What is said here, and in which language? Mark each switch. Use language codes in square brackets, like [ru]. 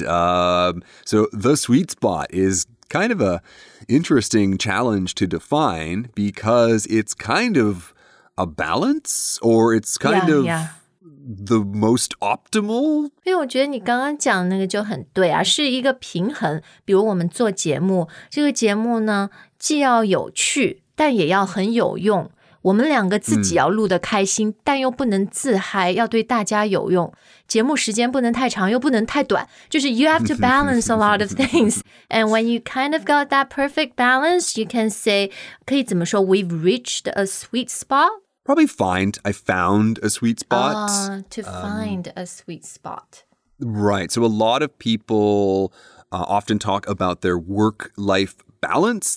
[en] So the sweet spot is kind of a interesting challenge to define because it's kind of a balance or it's kind yeah, of... Yeah. The most optimal? [zh] 因为我觉得你刚刚讲那个就很对啊，是一个平衡。比如我们做节目，这个节目呢，既要有趣，但也要很有用。我们两个自己要录得开心，但又不能自嗨，要对大家有用。节目时间不能太长，又不能太短。就是 [en] you have to balance a lot of things. And when you kind of got that perfect balance, you can say, [zh] 可以怎么说 [en] we've reached a sweet spot? Probably find, I found a sweet spot. To find a sweet spot. Right. So a lot of people often talk about their work-life balance.